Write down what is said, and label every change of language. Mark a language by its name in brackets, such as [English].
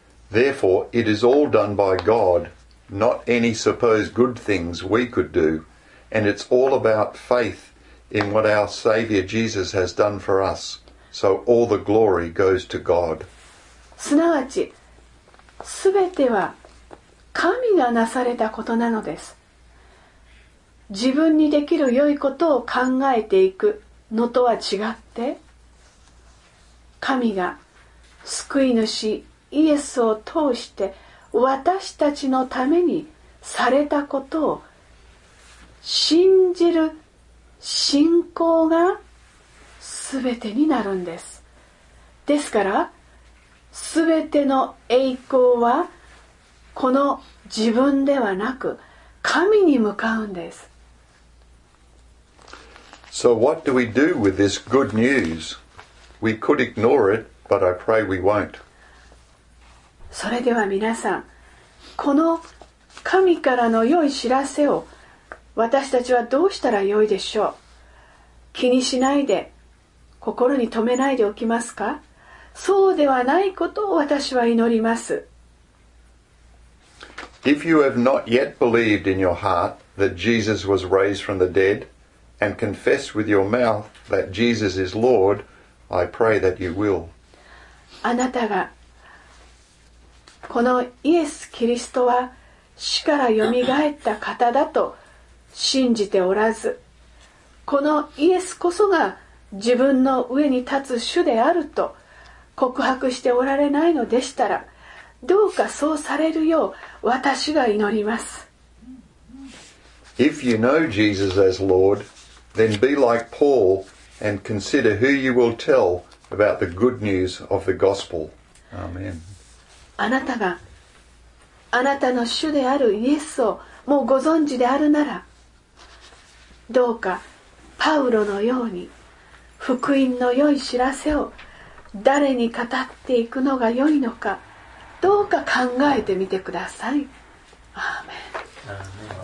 [English] Therefore, it is all done by God, not any supposed good things we could do, and it's all about faith in what our Savior Jesus has done for us. So all the glory goes to God. [Japanese] すなわち、すべては神がなされたことなのです。自分にできる良いことを考えていく。のとは違って、神が救い主イエスを通して私たちのためにされたことを信じる信仰が全てになるんです。ですから、全ての栄光はこの自分ではなく神に向かうんです。 [English] So what do we do with this good news? We could ignore it, but I pray we won't. [Japanese] それでは皆さん、この神からの良い知らせを私たちはどうしたら良いでしょう？気にしないで、心に留めないでおきますか？そうではないことを私は祈ります。 [English] If you have not yet believed in your heart that Jesus was raised from the dead,And confess with your mouth that Jesus is Lord, I pray that you will. [Japanese] あなたがこのイエス・キリストは死からよみがえった方だと信じておらず、このイエスこそが自分の上に立つ主であると告白しておられないのでしたら、どうかそうされるよう私が祈ります。 [English] If you know Jesus as Lord,Then be like Paul and consider who you will tell about the good news of the gospel. Amen. [Japanese] あなたがあなたの主であるイエスをもうご存知であるなら、どうかパウロのように福音の良い知らせを誰に語っていくのが良いのか、どうか考えてみてください。アーメン。